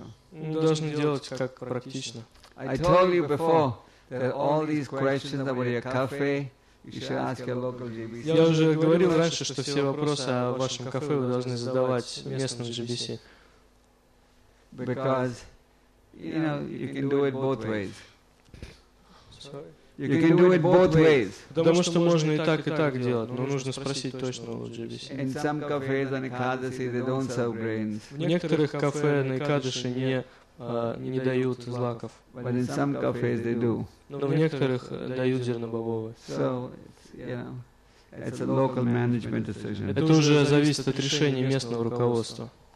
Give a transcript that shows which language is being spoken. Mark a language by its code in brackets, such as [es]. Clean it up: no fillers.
[ru] Мы должны делать как практично. [en] I told you before that all these questions about your cafe, you should ask your local GBC. [ru] Я уже говорил раньше, что все вопросы о вашем кафе вы должны задавать местным GBC. [en] Because you know, you can do it both ways. Sorry. You can do it both ways. [ru] Потому что можно и так делать, но нужно спросить точно у GBC. [en] In some cafes on Ekadashi, they don't serve grains. [ru] В некоторых кафе на Экадаши не дают злаков. [en] But in some cafes they do. [ru] Но в некоторых дают зернобобовые. [en] So, you know, it's a local management decision. [ru] Это уже зависит от решения местного руководства.